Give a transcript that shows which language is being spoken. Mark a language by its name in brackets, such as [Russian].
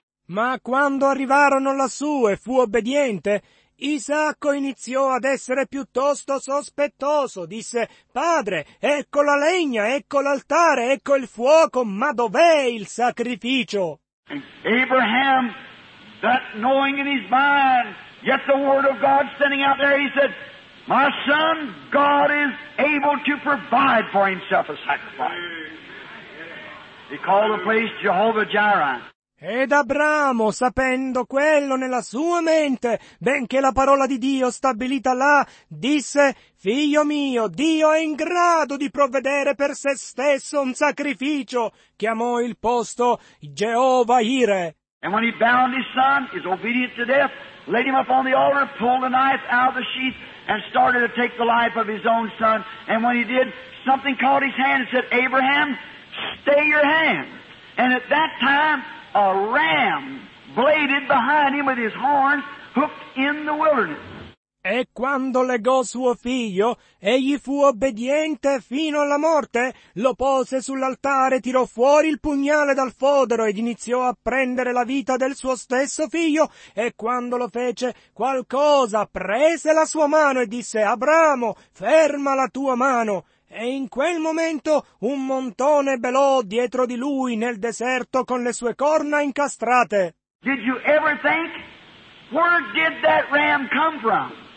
[Italian] Ma quando arrivarono lassù e fu obbediente, Isacco iniziò ad essere piuttosto sospettoso. Disse, Padre, ecco la legna, ecco l'altare, ecco il fuoco, ma dov'è il sacrificio? [English] Abraham, that knowing in his mind, yet the word of God standing out there, he said, My son, God is able to provide for himself a sacrifice. He called the place Jehovah Jireh. [Italian] Ed Abramo, sapendo quello nella sua mente, benché la parola di Dio stabilita là, disse, Figlio mio, Dio è in grado di provvedere per se stesso un sacrificio. Chiamò il posto Jehovah Jireh. [English] And when he bound his son, his obedient to death, laid him up on the altar, pulled the knife out of the sheath, and started to take the life of his own son. And when he did, something caught his hand and said, Abraham, stay your hand. And at that time, a ram bladed behind him with his horns hooked in the wilderness. [Italian] E quando legò suo figlio, egli fu obbediente fino alla morte, lo pose sull'altare, tirò fuori il pugnale dal fodero ed iniziò a prendere la vita del suo stesso figlio, e quando lo fece qualcosa, prese la sua mano e disse, Abramo, ferma la tua mano. E in quel momento un montone belò dietro di lui nel deserto con le sue corna incastrate. [English] Did you ever think, where did that ram come from?